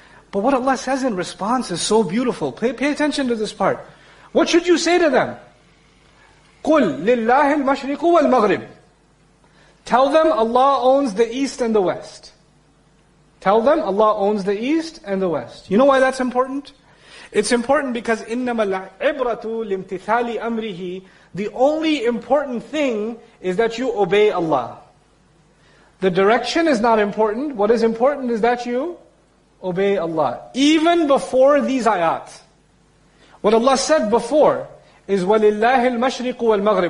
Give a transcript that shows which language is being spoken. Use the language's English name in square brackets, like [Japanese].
[English] But what Allah says in response is so beautiful. Pay attention to this part. What should you say to them? [Arabic] قُلْ لِلَّهِ الْمَشْرِقُ وَالْمَغْرِبِ. [English] Tell them Allah owns the east and the west. Tell them Allah owns the east and the west. You know why that's important? It's important because [Arabic] إِنَّمَا الْعِبْرَةُ لِمْتِثَالِ أَمْرِهِ. [English] The only important thing is that you obey Allah. The direction is not important. What is important is that you obey Allah. Even before these ayat. What Allah said before is [Arabic] وَلِلَّهِ الْمَشْرِقُ وَالْمَغْرِبُ.